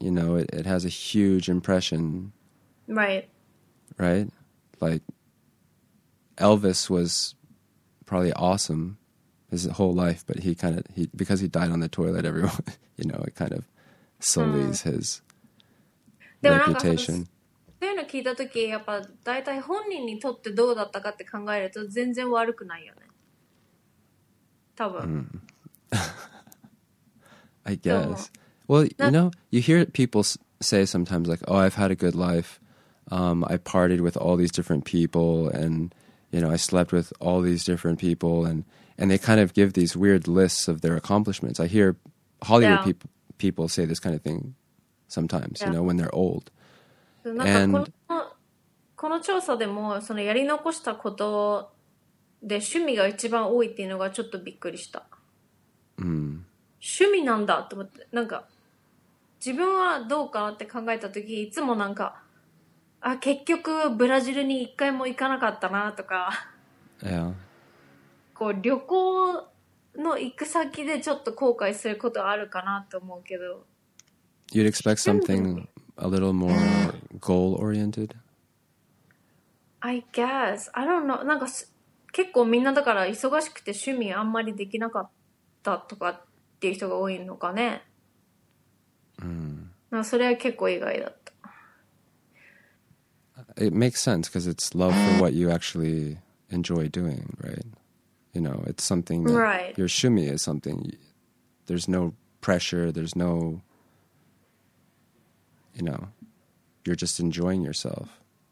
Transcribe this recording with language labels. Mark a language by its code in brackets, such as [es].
[en] You know, it has a huge impression. Right. Right? Like, Elvis was probably awesome his whole life, but because he died on the toilet, everyone, you know, it kind of sullies his reputation. [ja] そういうの聞いたとき、やっぱ大体本人にとってどうだったかって考えると全然悪くないよね。多分。 [en] I guess. Well, you know, you hear people say sometimes like, oh, I've had a good life. I partied with all these different people and, you know, I slept with all these different people and they kind of give these weird lists of their accomplishments. I hear Hollywood people say this kind of thing sometimes, you know, when they're old. [ja] この調査でもそのやり残したことで趣味が一番多いっていうのがちょっとびっくりした。趣味なんだと思って、なんか自分はどうかなって考えた時、いつもなんか、あ、結局ブラジルに一回も行かなかったなとか、 [en] yeah. [ja] こう旅行の行く先でちょっと後悔することあるかなと思うけど。 [en] You'd expect something a little more goal oriented? I guess. I don't know. [ja] なんか結構みんなだから忙しくて趣味あんまりできなかったとかっていう人が多いのかね。 Mm. なんかそれは結構意外だった。 [en] It makes sense because it's love for what you actually enjoy doing, right? You know, it's something that right. your shumi is something. There's no pressure. There's no, you know, you're just enjoying yourself